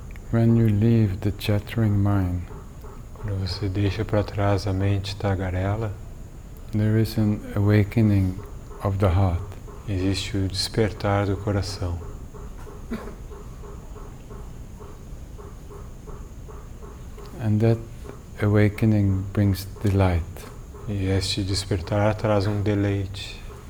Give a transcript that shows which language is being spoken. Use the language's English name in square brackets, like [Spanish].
[English] When you leave the chattering mind, [Portuguese] quando você deixa para trás a mente tagarela, [English] there is an awakening of the heart. [Portuguese] Existe o despertar do coração. [English] And that awakening brings delight. [Portuguese] E este despertar traz um deleite.